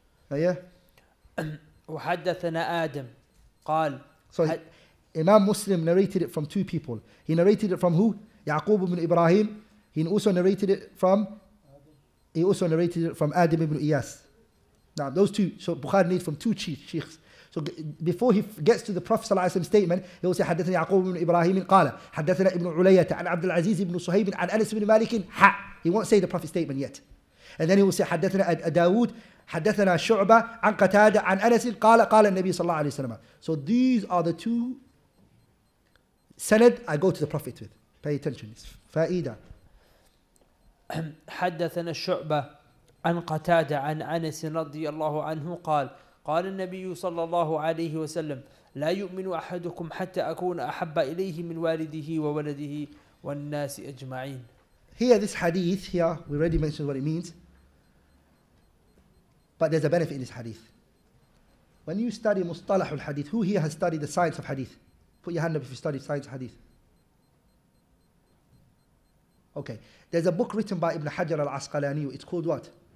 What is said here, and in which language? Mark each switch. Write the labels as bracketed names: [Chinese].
[English] So Imam Muslim narrated it from two people. He narrated it from who? Ya'qub ibn Ibrahim. He also narrated it from Adam ibn Iyas. Now those two, so Bukhari needs from two sheikhs. So before he gets to the Prophet sallallahu alaihi wasallam statement, he will say [Arabic] حدثنا يعقوب بن إبراهيم قال حدثنا ابن علية عن عبد العزيز بن صهيب عن أنس بن مالك ح. [English] He won't say the Prophet statement yet, and then he will say [Arabic] حدثنا داود حدثنا شعبة عن قتادة عن أنس قال قال النبي صلى الله عليه وسلم. [English] So these are the two sanad I go to the Prophet with. Pay attention. فائدة. [Arabic] حدثنا شعبة عن قتادة عن أنس رضي الله عنه قال قال النبي صلى الله عليه وسلم لا يؤمن أحدكم حتى أكون أحب إليه من والده وولده والناس أجمعين. [English] Here this hadith, here we already mentioned what it means, but there's a benefit in this hadith. When you study مصطلح الحديث, who here has studied the science of hadith? Put your hand up if you studied science of hadith. Okay, there's a book written by Ibn Hajar al-Asqalani. It's called what?